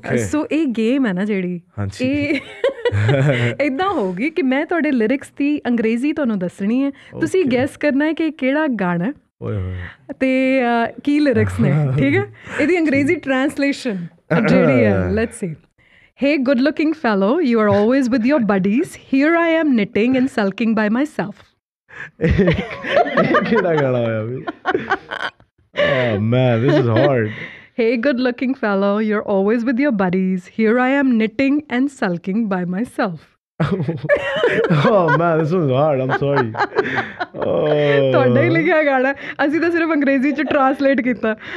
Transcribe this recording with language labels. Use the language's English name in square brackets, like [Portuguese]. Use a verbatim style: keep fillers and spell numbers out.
[Punjabi] ਸੋ ਇਹ ਗੇਮ ਹੈ ਨਾ ਜਿਹੜੀ, ਇਹ ਇੱਦਾਂ ਹੋਊਗੀ ਕਿ ਮੈਂ ਤੁਹਾਡੇ ਲਿਰਿਕਸ ਦੀ ਅੰਗਰੇਜ਼ੀ ਤੁਹਾਨੂੰ ਦੱਸਣੀ ਹੈ, ਤੁਸੀਂ ਗੈਸ ਕਰਨਾ ਹੈ ਕਿ ਕਿਹੜਾ ਗਾਣਾ ਤੇ ਕੀ ਲਿਰਿਕਸ ਨੇ, ਠੀਕ ਹੈ। ਇਹਦੀ ਅੰਗਰੇਜ਼ੀ ਟ੍ਰਾਂਸਲੇਸ਼ਨ ਜਿਹੜੀ ਹੈ, [English] Let's see. Hey, good looking fellow, you are always with your buddies. Here I am knitting and sulking by myself. [Punjabi] ਕਿਹੜਾ ਗਾਣਾ ਹੋਇਆ ਵੀ? [English] Oh man, this is hard. Hey, good looking fellow, you're always with your buddies. Here I am knitting and sulking by myself. Oh man, this was hard. I'm sorry. Oh. [Punjabi] ਤੁਹਾਡਾ ਹੀ ਲਿਖਿਆ ਗਾਣਾ, ਅਸੀਂ ਤਾਂ ਸਿਰਫ ਅੰਗਰੇਜ਼ੀ ਚ ਟ੍ਰਾਂਸਲੇਟ ਕੀਤਾ।